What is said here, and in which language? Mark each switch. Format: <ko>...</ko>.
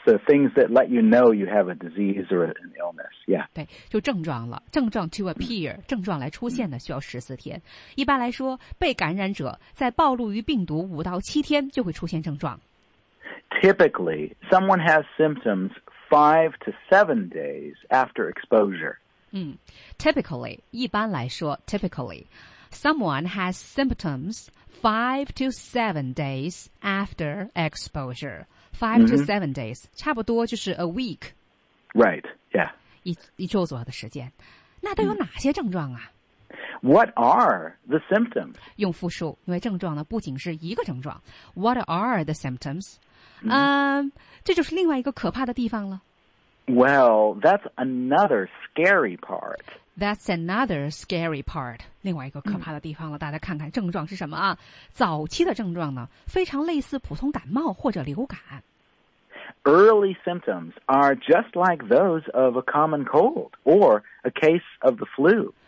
<en>So things that let you know you have a disease or an illness. Yeah.</en> <zh>对，就症状了。症状 to appear, 症状来出现的需要14天。一般来说，被感染者在暴露于病毒5到7天就会出现症状。</zh> <en>Typically, someone has symptoms 5 to 7 days after exposure. Typically,</en> <zh>一般来说</zh> <en>,typically, someone has symptoms 5 to 7 days after exposure. 5 to 7 days,、mm-hmm.</en> <zh>差不多就是</zh> <en>a week. Right, yeah.</en> <zh>一周左右的时间。那都有哪些症状啊？</zh> <en>What are the symptoms?</en> <zh>用复数，因为症状呢不仅是一个症状。</zh> <en>What are the symptoms?、 Mm-hmm.</en> <zh>这就是另外一个可怕的地方了。</zh> <en>Well, that's another scary part. That's another scary part.</en> <zh>另外一个可怕的地方了、mm-hmm. 大家看看症状是什么啊。早期的症状呢非常类似普通感冒或者流感。</zh> <en>Early symptoms are just like those of a common cold or a case of the flu.</en>